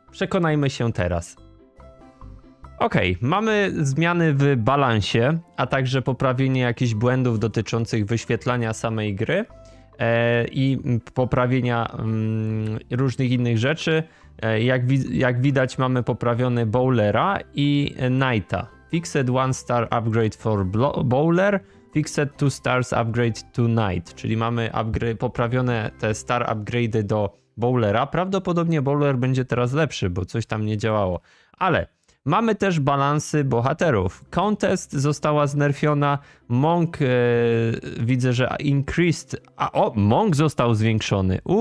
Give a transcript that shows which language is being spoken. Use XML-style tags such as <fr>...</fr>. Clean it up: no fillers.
<pl>Przekonajmy się teraz. Okej, mamy zmiany w balansie, a także poprawienie jakichś błędów dotyczących wyświetlania samej gry i poprawienia różnych innych rzeczy. Jak widać, mamy poprawione Bowlera i Knighta.</pl> <en>Fixed one star upgrade for Bowler, fixed two stars upgrade to Knight.</en> <pl>Czyli mamy poprawione te star upgrade'y do Bowlera. Prawdopodobnie Bowler będzie teraz lepszy, bo coś tam nie działało. Ale mamy też balansy bohaterów. Contest została znerfiona. Monk, widzę, że increased. A o, Monk został zwiększony.</pl>